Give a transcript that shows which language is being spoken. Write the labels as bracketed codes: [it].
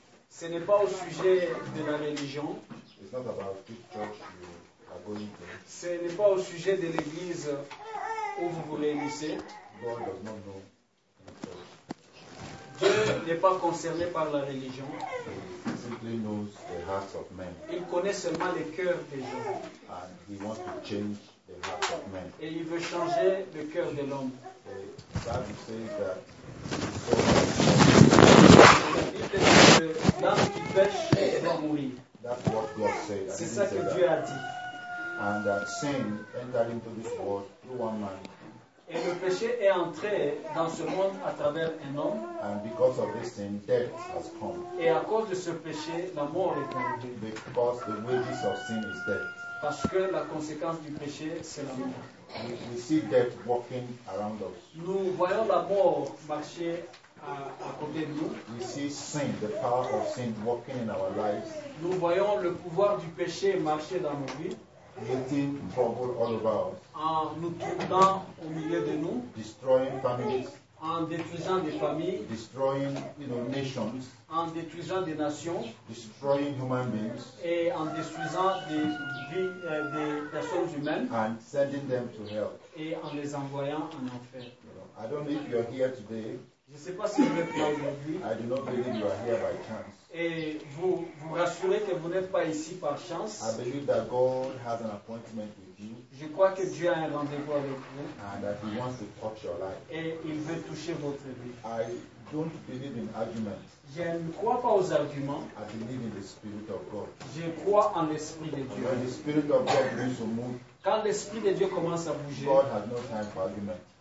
[fr] Ce n'est pas au sujet de la religion. [en] It's not about which church you are going to. [fr] Ce n'est pas au sujet de l'église où vous vous réunissez. [en] God does not know the church. [fr] Dieu n'est pas concerné par la religion. [en] He simply knows the hearts of men. [fr] Il connaît seulement les cœurs des gens. [en] And he wants to change the hearts of men. [fr] Et il veut changer le cœur de l'homme. [en] God says that. [fr] L'homme qui pêche doit mourir. [en] That's what God said. [fr] C'est ça que Dieu a dit. [en] And that sin entered into this world through one man. [fr] Et le péché est entré dans ce monde à travers un homme. [en] And because of this sin, death has come. [fr] Et à cause de ce péché, la mort est venue. [en] Because the wages of sin is death. [fr] Parce que la conséquence du péché, c'est la mort. [en] We see death walking around us. [fr] Nous voyons la mort marcher à côté de nous. [en] We see sin, the power of sin walking in our lives. [fr] Nous voyons le pouvoir du péché marcher dans nos vies. [en] Creating trouble all over us. [fr] En nous troublant au milieu de nous. [en] Destroying families. [fr] en détruisant des familles, [en] destroying, you know, nations, [fr] en détruisant des nations, [en] destroying human beings, [fr] et en détruisant des personnes humaines, [en] and sending them to hell, [fr] et en les envoyant en enfer. [en] I don't know if you are here today. [fr] Je ne sais pas si vous êtes là aujourd'hui. [en] I do not believe you are here by chance. [fr] Et vous vous rassurez que vous n'êtes pas ici par chance. [en] I believe that God has an appointment with you. [fr] Je crois que Dieu a un rendez-vous avec vous. [en] And that he wants to touch your life. [fr] Et il veut toucher votre vie. [en] I don't believe in arguments. [fr] Je ne crois pas aux arguments. [en] I believe in the Spirit of God. [fr] Je crois en l'Esprit de Dieu. [en] When the Spirit of God begins to move, [fr] quand l'Esprit de Dieu commence à bouger, [en] God has no time for argument.